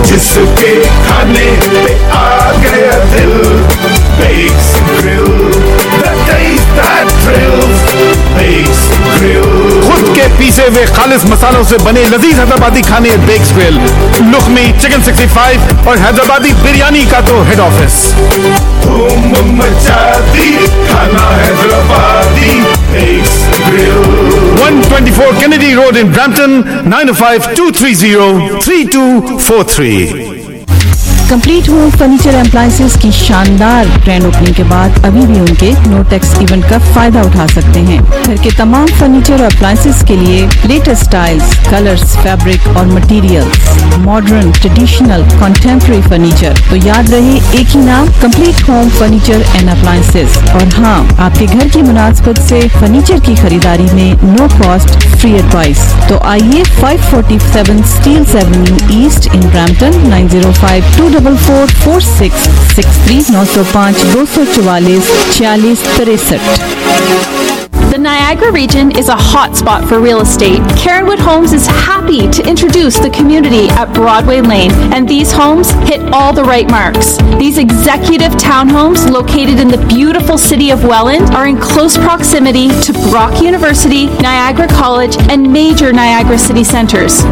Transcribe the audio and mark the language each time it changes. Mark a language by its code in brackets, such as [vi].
[ur] جس کے کھانے پہ آ گیا دل. [en] Becks girl, the taste that thrills. Becks girl, [ur] خود کے پیسے ہوئے خالص مسالوں سے بنے لذیذ حیدرآبادی کھانے ایٹ بیکس گرل, لخمی چکن 65 اور حیدرآبادی بریانی کا تو ہیڈ آفس. دھوم مچا دی کھانا Hyderabadi. [en] 124 Kennedy Road in Brampton, 905-230-3243. [ur] Complete home furniture appliances کی شاندار گرینڈ اوپننگ کے بعد ابھی بھی ان کے نو ٹیکس ایونٹ کا فائدہ اٹھا سکتے ہیں. گھر کے تمام فرنیچر اور اپلائنسز کے لیے لیٹسٹ سٹائلز, کلرز, فیبرک اور materials, modern, traditional, contemporary furniture. تو یاد رہے ایک ہی نام, complete home furniture and appliances. اور ہاں, آپ کے گھر کی مناسبت سے فرنیچر کی خریداری میں نو کاسٹ فری ایڈوائس. تو آئیے 547 سٹیلز avenue asset in Brampton, 9054466395244463. [en] The Niagara region is a hot spot for real estate. Karenwood Homes is happy to introduce the community at Broadway Lane, and these homes hit all the right marks. These executive townhomes located in the beautiful city of Welland are in close proximity to Brock University, Niagara College, and major Niagara city centers.